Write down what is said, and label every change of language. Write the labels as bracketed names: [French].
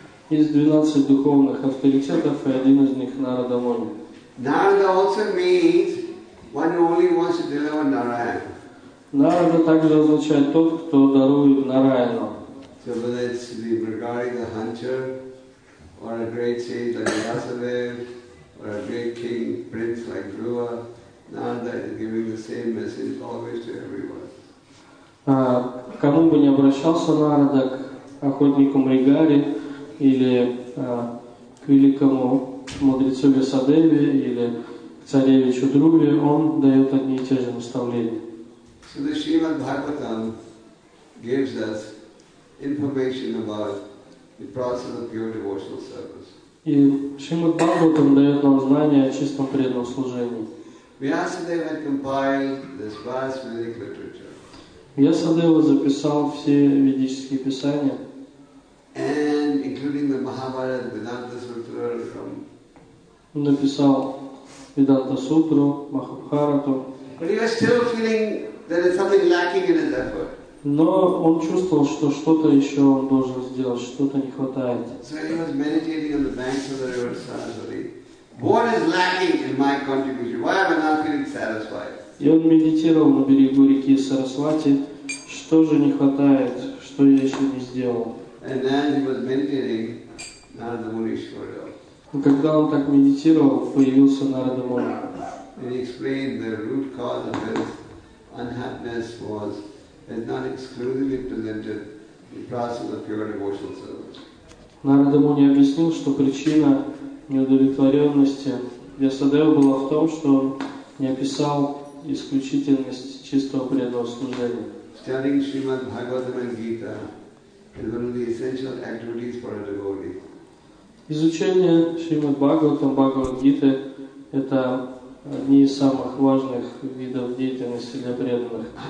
[Russian] Из 12 духовных авторитетов и один из них Нарада Муни. [English] Narada also means one who only wants to deliver Narayana. [Russian] Narada также означает тот, кто дарует Нараяну. [English] So whether it's the Bhargari, the hunter, or a great sage like Vyasadev, or a great king, prince like Dhruva, Narada is giving the same message always to everyone. [Russian] Кому бы не обращался Нарада, к охотнику Мригари, или к великому мудрецу Вьясадеве, или к царевичу Друве, он дает одни и те же наставления. [English] So the Srimad Bhagavatam gives us information about the process of pure devotional service. [Russian] И Шримад Бхагаватам дает нам знания о чистом преданном служении. [English] Vyasadeva had compiled this vast Vedic literature. [Russian] Вьясадева записал все ведические писания. [English] and including the Mahabharata, Vedanta Sutra from. [Russian] Написал Vedanta Sutra, Mahabharata. [English] But he was still feeling that there is something lacking in his effort. [Russian] Но он чувствовал, что что-то еще он должен сделать, что-то не хватает. [English] So he was meditating on the banks of the river Saraswati. What is lacking in my contribution? Why am I not feeling satisfied? [Russian] И он медитировал на берегу реки Сарасвати. Что же не хватает? Что я еще не сделал? [English] And then he was meditating Narada Muni Shvara. [Russian] Когда он так медитировал, появился Нарада Муни. [English] And he explained the root cause of his unhappiness was is not exclusively presented in the process of the pure devotional service. [Russian] Нарада Муни объяснил, что причина неудовлетворенности Ясадева была в том, что он не описал исключительность чистого преданного служения. [English] Studying Srimad Bhagavatam and Gita is one of the essential activities for a devotee. [Russian] Изучение Шримад Бхагаватам, Бхагавад Гиты это одни из самых важных видов деятельности для преданных.